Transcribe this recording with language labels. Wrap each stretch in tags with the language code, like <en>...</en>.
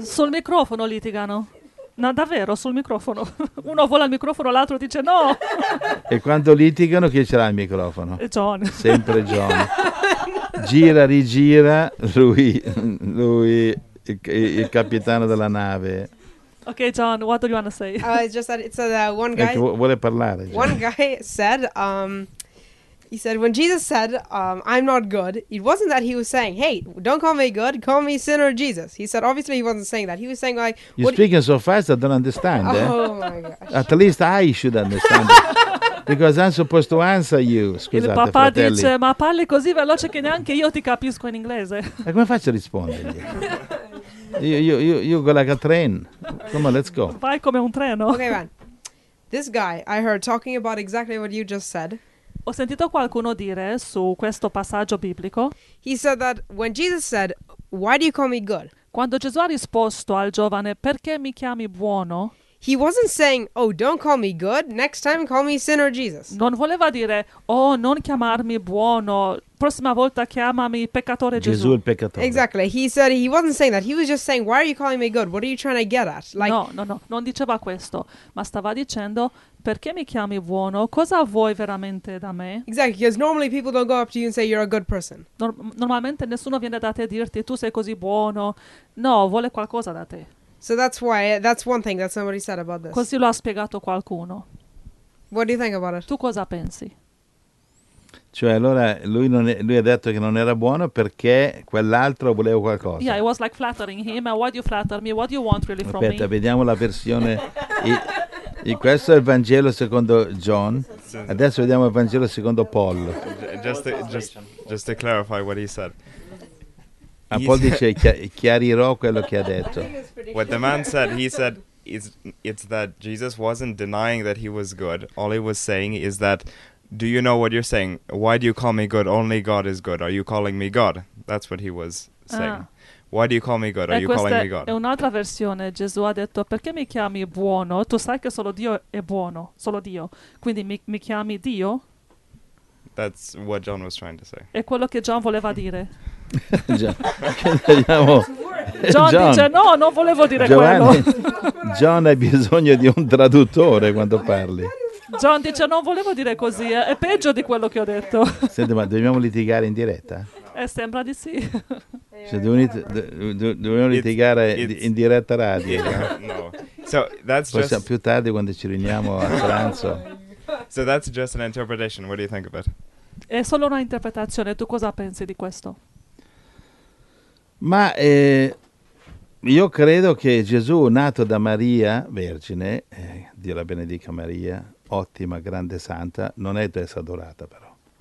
<it>Sul microfono litigano. No, davvero, sul microfono. Uno vola al microfono, l'altro dice no. E quando litigano, chi ce l'ha il microfono? John. Sempre John. Gira, rigira, lui il capitano della nave.</it> <en>Ok, John, what do you want to say?</en> <it>Vuole parlare. John.</it> <en>One guy said, he said, when Jesus said, I'm not good, it wasn't that he was saying, hey, don't call me good, call me sinner Jesus. He said, obviously he wasn't saying that. He was saying like... You're speaking so fast, I don't understand. Oh eh? My gosh. At least I should understand. Because I'm supposed to answer you.</en> <it>Scusate, il papà fratelli. Dice, ma parli così veloce che neanche io ti capisco in inglese. E come faccio a rispondergli?</it> <en>You go like a train. Come on, let's go.</en> <it>Vai come un treno.</it> <en>Okay, man. This guy, I heard talking about exactly what you just said.</en> <it>Ho sentito qualcuno dire su questo passaggio biblico.</it> <en>He said that when Jesus said, "Why do you call me good?"</en> <it>Quando Gesù ha risposto al giovane, "Perché mi chiami buono?"</it> <en>He wasn't saying, "Oh, don't call me good. Next time, call me sinner Jesus."</en> <it>Non voleva dire, "Oh, non chiamarmi buono. Prossima volta chiamami peccatore Gesù." Gesù il peccatore.</it> <en>Exactly. He said he wasn't saying that. He was just saying, "Why are you calling me good? What are you trying to get at?" Like, no.</en> <it>Non diceva questo, ma stava dicendo, "Perché mi chiami buono? Cosa vuoi veramente da me?"</it> <en>Exactly. Because normally people don't go up to you and say you're a good person.</en> <it>Normalmente nessuno viene da te a dirti tu sei così buono. No, vuole qualcosa da te.</it> <en>So that's one thing that somebody said about this.</en> <it>Così lo ha spiegato qualcuno.</it> <en>What do you think about it?</en> <it>Tu cosa pensi? Cioè allora lui ha detto che non era buono perché quell'altro voleva qualcosa.</it> <en>Yeah, it was like flattering him. Why do you flatter me? What do you want really from</en> <it>Aspetta,</it> <en>me?</en> <it>Aspetta, vediamo la versione. E questo è il Vangelo secondo John. Adesso vediamo il Vangelo secondo Paul.</it> <en>Just to clarify what he said.</en> <it>Ma Paul dice chiarirò quello che ha detto.</it> <en>What the man said, he said, it's that Jesus wasn't denying that he was good. All he was saying is that, do you know what you're saying? Why do you call me good? Only God is good. Are you calling me God? That's what he was saying. Why do you call me good? Are you calling me God?</en> <it>È un'altra versione. Gesù ha detto, perché mi chiami buono? Tu sai che solo Dio è buono, solo Dio. Quindi mi chiami Dio?</it> <en>That's what John was trying to say.</en> <it>È quello che John voleva dire. John dice, no, non volevo dire Giovanni, quello. John ha bisogno di un traduttore quando parli. John dice, non volevo dire così, è peggio di quello che ho detto. Senti, ma dobbiamo litigare in diretta? Sembra di sì. Cioè, dobbiamo litigare in diretta radio.</it> <en>No. So that's just...</en> <it>Più tardi quando ci riuniamo a pranzo.</it> <en>So that's just an interpretation, what do you think of it?</en> <it>È solo una interpretazione, tu cosa pensi di questo? Ma io credo che Gesù, nato da Maria, Vergine, Dio la benedica Maria, ottima, grande santa, non è essa adorata però.</it>